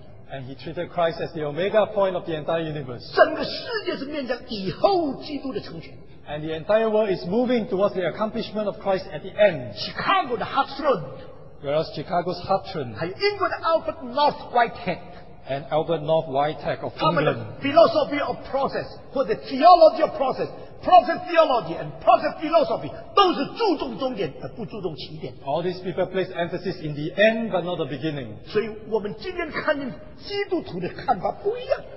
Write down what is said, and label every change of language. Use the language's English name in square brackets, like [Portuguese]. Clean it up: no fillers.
[English] And he treated Christ as the omega point of the entire universe. [Chinese] 整个世界是面向以后基督的成全。 [English] And the entire world is moving towards the accomplishment of Christ at the end. [Chinese] Chicago 的 Hartshorne. [English] Whereas Chicago's Hartshorne. [Chinese] 还有英国的 Albert North Whitehead. [English] And Albert North Whitehead of England. [Chinese] 他们的 [English] philosophy of process, [Chinese] 或者 [English] theology of process, process theology and process philosophy, [Chinese] 都是注重终点而不注重起点。 [English] All these people place emphasis in the end but not the beginning. [Chinese] 所以我们今天看基督徒的看法不一样。